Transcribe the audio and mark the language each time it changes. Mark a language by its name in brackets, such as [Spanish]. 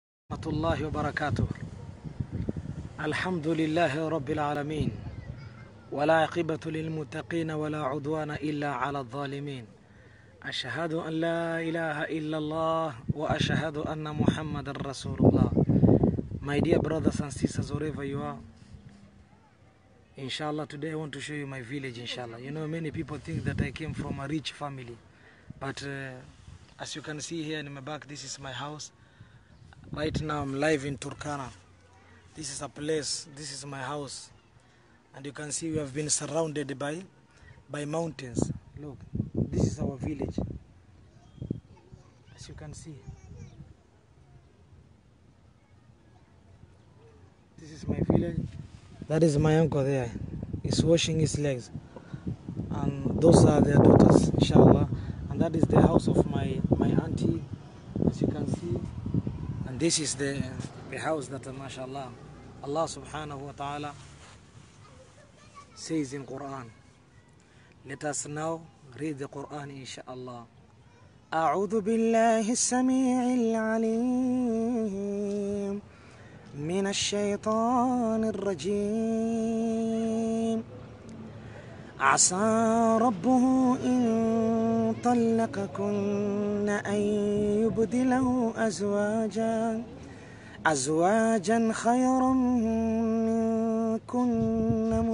[Arabic] ورحمة الله وبركاته الحمد لله رب العالمين ولا عقبة للمتقين ولا عدوان إلا على الظالمين أشهد أن لا إله إلا الله وأشهد أن محمد رسول الله [English] My dear brothers and sisters, wherever you are, inshallah, today I want to show you my village, inshallah. You know, many people think that I came from a rich family, but as you can see here in my back, this is my house. Right now I'm live in Turkana. This is a place, this is my house. And you can see we have been surrounded by mountains. Look, this is our village. As you can see. This is my village. That is my uncle there. He's washing his legs. And those are their daughters, inshallah. And that is the house of my auntie. As you can see. And this is the house that, mashallah, Allah subhanahu wa ta'ala says in Quran. Let us now read the Quran, inshallah. [Arabic] A'udhu billahi as-sami'i al-alim min ash-shaytan ar-rajim Asa rabbuhu in طَلَّقَكُنَّ أَن يُبْدِلَهُ أَزْوَاجًا خَيْرًا مِنْكُنَّ